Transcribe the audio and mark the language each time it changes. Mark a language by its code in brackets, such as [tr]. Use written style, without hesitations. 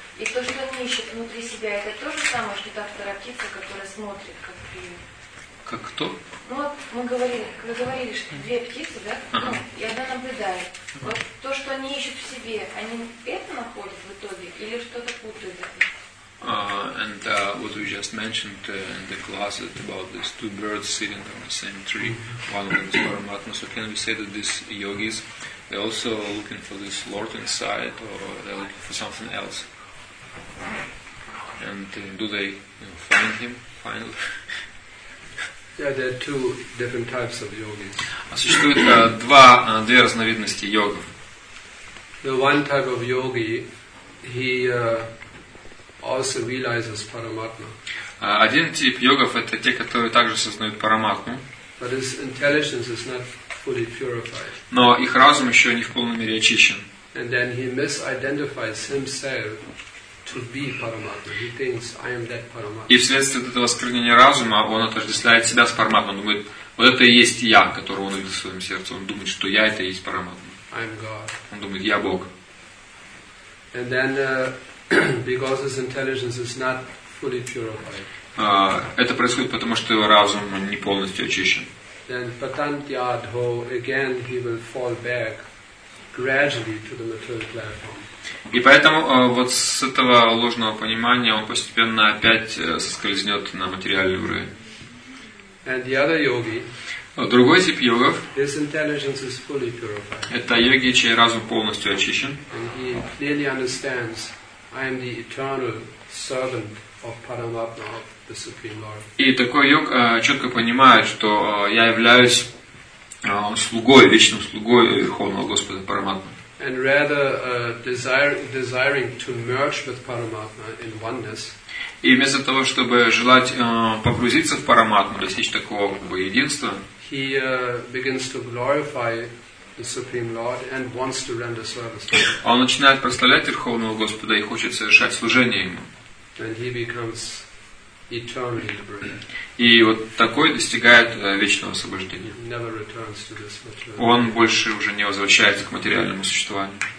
[ru] И то, что они ищут внутри себя, это то же самое, что та вторая птица, которая смотрит, как приют. Как кто? Ну вот мы говорили, что две птицы, да? Ну, и одна наблюдает. Вот то, что они ищут в себе, они это находят в итоге или что-то путают от них? [en] And what we just mentioned in the class about these two birds sitting on the same tree, one of them is Paramatma. So can we say that these yogis, they're also looking for this Lord inside, or they're looking for something else? And do they find him finally? Yeah, there are two different types of yogis. [ru] Существует две разновидности йогов. [en] The one type of yogi, he also realizes Paramatma. [ru] Один тип йогов — это те, которые также сознают Параматму. [en] But his intelligence is not fully purified. [ru] Но их разум еще не в полной мере очищен. [en] And then he misidentifies himself to be Paramatma. He thinks, I am that Paramatma. [ru] И вследствие этого осквернения разума он отождествляет себя с Параматмой. Он думает, вот это и есть я, которого он видит в своем сердце. Он думает, что я — это и есть Параматма. [en] I am God. [ru] Он думает, я Бог. [en] And then because his intelligence is not fully purified. [ru] Это происходит потому, что его разум не полностью очищен. [en] Then patantyadho, again he will fall back gradually to the material platform. [ru] И поэтому вот с этого ложного понимания он постепенно опять соскользнет на материальный уровень. [en] And the other yogi, [ru] другой тип йогов, [en] his intelligence is fully purified. [ru] Это йоги, чей разум полностью очищен. [en] And he clearly understands, I am the eternal servant of Paramatma, of the Supreme Lord. [ru] И такой йог четко понимает, что я являюсь слугой, вечным слугой Верховного Господа Параматмы. [en] And rather desiring to merge with Paramatma in oneness. [ru] И вместо того, чтобы желать погрузиться в Параматму, достичь такого как бы единства, [en] he begins to glorify the Supreme Lord and wants to render service. [ru] Он начинает прославлять Верховного Господа и хочет совершать служение ему. [en] And he becomes eternally liberated. [ru] И вот такой достигает вечного освобождения. [en] He never returns to this material. [ru] Он больше уже не возвращается к материальному существованию.